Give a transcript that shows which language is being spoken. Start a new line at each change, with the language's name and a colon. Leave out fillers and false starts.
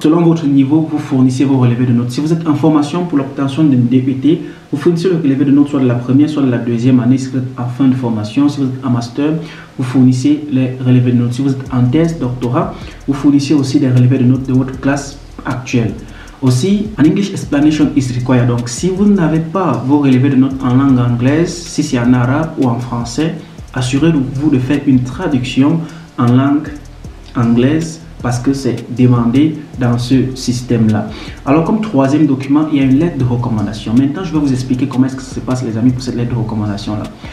French: Selon votre niveau, vous fournissez vos relevés de notes. Si vous êtes en formation pour l'obtention d'une DUT, vous fournissez le relevé de notes soit de la première, soit de la deuxième année, si vous êtes en fin de formation. Si vous êtes en master, vous fournissez les relevés de notes. Si vous êtes en thèse, doctorat, vous fournissez aussi les relevés de notes de votre classe actuelle. Aussi,
English: an English explanation is required.
French: Donc, si vous n'avez pas vos relevés de notes en langue anglaise, si c'est en arabe ou en français, assurez-vous de faire une traduction en langue anglaise parce que c'est demandé dans ce système-là. Alors, comme troisième document, il y a une lettre de recommandation. Maintenant, je vais vous expliquer comment est-ce que ça se passe, les amis, pour cette lettre de recommandation-là.